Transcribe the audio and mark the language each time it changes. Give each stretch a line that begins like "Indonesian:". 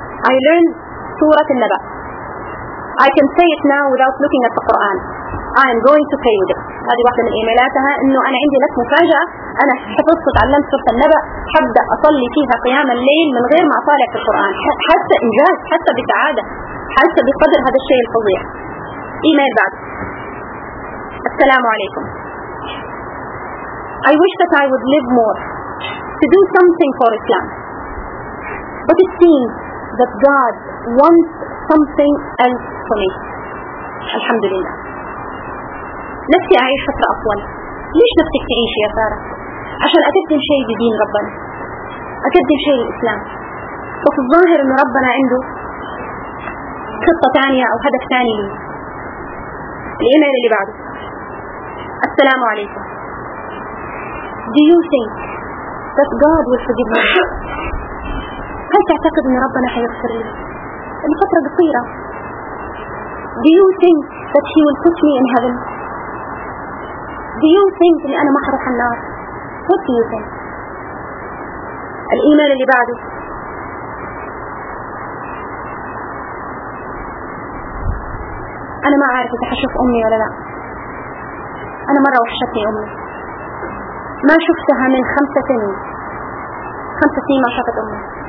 English: I learned سورة النبأ. I can say it now without looking at the Quran. I am going to pay with it.
Arabic: هذه واحدة من إيميلاتها، إنه أنا عندي لك مفاجأة، أنا حفظت وتعلمت سورة النبأ، حبدأ أصلي فيها قيام الليل من غير ما أطالع في القرآن. حاسة إنجاز، حاسة بسعادة، حاسة بقدر هذا الشيء الفظيع. إيميل بعد. السلام عليكم.
English: I wish that I would live more to do something for Islam. But it seems that God wants something else for me.
Arabic: الحمد لله. نفسي أعيش فترة أطول. ليش نفسك تعيش يا سارة؟ عشان أقدم شيء بدين ربنا، أقدم شيء للإسلام، وفي الظاهر أن ربنا عنده خطة تانية أو هدف تاني لي. الإيميل اللي بعده. السلام عليكم.
English: Do you think that God will forgive me?
Arabic: هل تعتقد أن ربنا حيغفر لي؟ الفترة قصيرة.
English: Do you think that he will put me in heaven? Do you think
Arabic: إن أنا ما حروح النار؟
English: What do you think؟
Arabic: الإيميل اللي بعده. أنا ما عارف إذا حشوف أمي ولا لا. أنا مرة وحشتني أمي، ما شفتها من 5 سنين، 5 سنين ما شفت أمي.